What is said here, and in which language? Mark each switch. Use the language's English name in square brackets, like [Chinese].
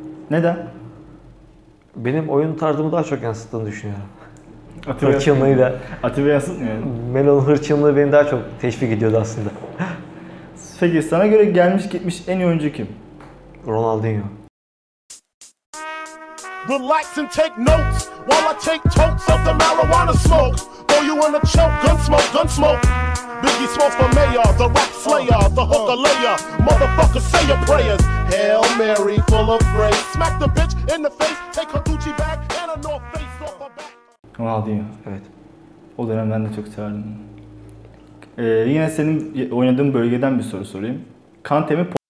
[Turkish] Neden? Benim oyun tarzımı daha çok yansıttığını düşünüyorum. Atiba hırçınlığı da. Atiba yansıtmıyor yani. Melo'nun hırçınlığı beni daha çok teşvik ediyordu aslında. Peki sana göre gelmiş gitmiş en iyi oyuncu kim? Ronaldinho. [English] Relax and take notes while I take totes of the marijuana smoke. Throw you in a choke, gun smoke. Biggie smoke for mayor, the rap slayer, the hooker layer. Motherfucker, say your prayers. Hail Mary, full of grace. Smack the bitch in the face, take her Gucci bag and a North Face off her back. [Turkish] Ronaldinho. Evet. O dönem ben de çok severdim. Yine senin oynadığın bölgeden bir soru sorayım. Kante mi?